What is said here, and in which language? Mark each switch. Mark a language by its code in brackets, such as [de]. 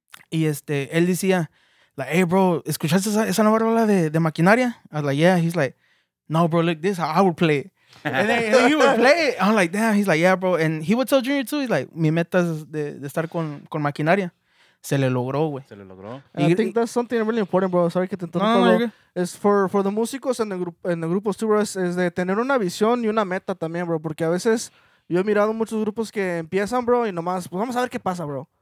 [es] Y él decía, like, hey, bro, ¿escuchaste esa nueva rola de Maquinaria? [en] I was like, yeah. He's like, no, bro, look, this is how I would play it. And then he would play it. I'm like, damn. He's like, yeah, bro. And he would tell Junior, too. He's like, [es] mi meta es de estar con Maquinaria. Se le logró, güey. Se le logró. [en] And I think that's something really important, bro. Sorry [es] que te interrumpa, [en] bro. It's for the músicos and the grupos, too, bro. [es] Es de tener una visión y una meta también, bro. Porque a veces yo he mirado muchos grupos que empiezan, bro, y nomás, pues vamos a ver qué pasa, bro.